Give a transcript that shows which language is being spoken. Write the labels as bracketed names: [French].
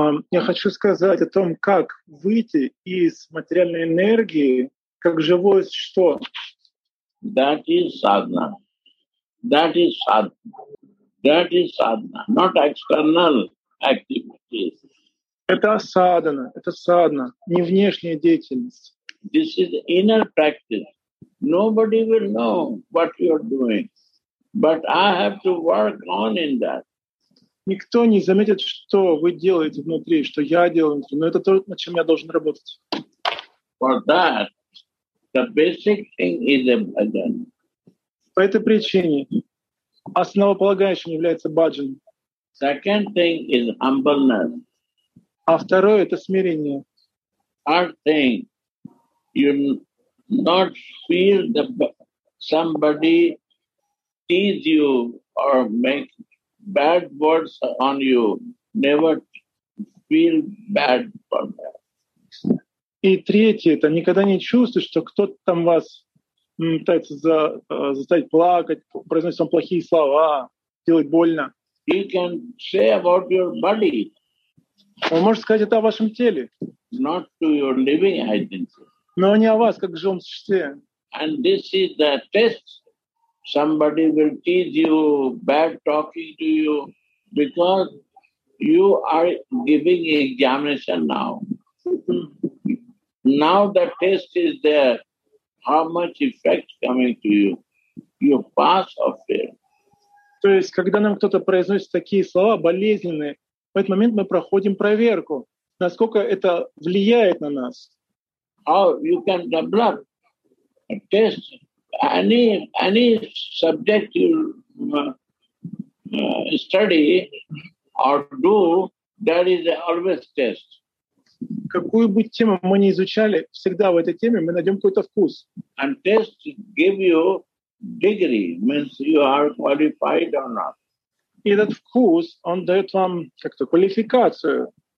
[Russian] Я хочу сказать о том, как выйти из материальной энергии как живое существо. [English] That is sadhana. That is sadhana. That is sadhana. Not external activities. [Russian] Это садхана. Это садхана, не внешняя деятельность. [English] This is inner practice. Nobody will know what you are doing, but I have to work on in that. [Russian] Никто не заметит, что вы делаете внутри, что я делаю внутри, но это то, над чем я должен работать. [English] For that, the basic thing is a bhajan. [Russian] По этой причине основополагающим является баджан. [English] Second thing is humbleness. [Russian] А второе — это смирение. [English] Third thing, you not feel that somebody tease you or make bad words on you, never feel bad for that. [Russian] И третье, это никогда не чувствуешь, что кто-то там вас пытается заставить плакать, произносить вам плохие слова, делать больно. [English] You can say about your body. [Russian] Вы можете сказать это о вашем теле. [English] Not to your living identity. [Russian] Но не о вас, как живом существе. [English] And this is the test. Somebody will tease you, bad talking to you, because you are giving examination now. Now the test is there. How much effect coming to you? You pass or fail. [Russian] То есть, когда нам кто-то произносит такие слова болезненные, в этот момент мы проходим проверку, насколько это влияет на нас. [English] How you can develop a test? Any subject you study or do, there is always test. [Russian] Какую бы тему мы ни изучали, всегда в этой теме мы найдем какой-то вкус. [English] And test give you degree, means you are qualified or not. [Russian] И этот вкус, он дает вам как-то квалификацию.